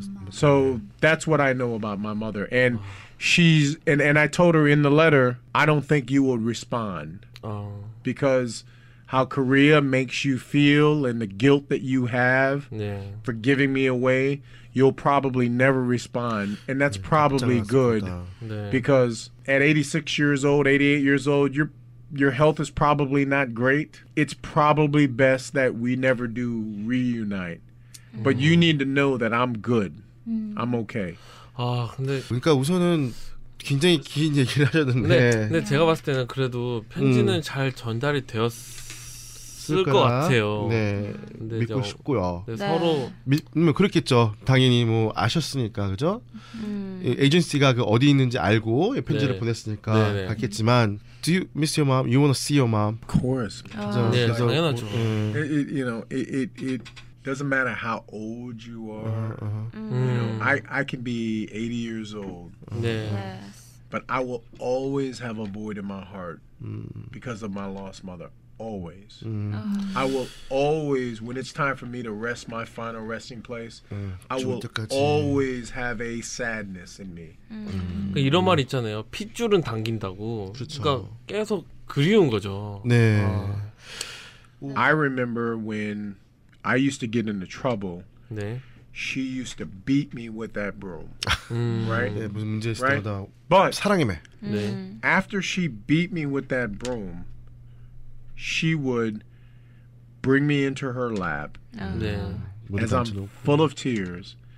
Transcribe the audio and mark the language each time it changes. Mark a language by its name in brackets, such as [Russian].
[English] So that's what I know about my mother, and she's and I told her in the letter, I don't think you will respond because how Korea makes you feel and the guilt that you have for giving me away, you'll probably never respond. And that's probably good because at 86 years old, 88 years old, your health is probably not great. It's probably best that we never do reunite. But you need to know that I'm good. I'm okay. [Korean] 아, 근데 그러니까 우선은 굉장히 긴 얘기를 하셨는데 근데 제가 봤을 때는 그래도 편지는 잘 전달이 되었 쓸 것 같아요. 네, 믿고 이제, 싶고요. 서로 믿으면 그렇겠죠. 당연히 뭐 아셨으니까 그죠? 에이전시가 그 어디 있는지 알고 편지를 보냈으니까 봤겠지만, [English] Do you miss your mom? [Korean] You wanna see your mom? [English] Of course. [Korean] 그죠? 네, 그래서, 당연하죠. [English] It, you know, it doesn't matter how old you are. You know, I can be 80 years old. [Korean] 네. [English] But I will always have a void in my heart because of my lost mother. Always. I will always, when it's time for me to rest my final resting place, I will always have a sadness in me. [Korean] 그러니까 이런 말 있잖아요. 핏줄은 당긴다고. 그렇죠. 그러니까 계속 그리운 거죠. 네. [English] I remember when I used to get into trouble. [Korean] 네. [English] She used to beat me with that broom. Right? [Korean] 네, 무슨 문제 있었다. But 사랑해매. 네. [English] After she beat me with that broom, she would bring me into her lap as I'm full of tears.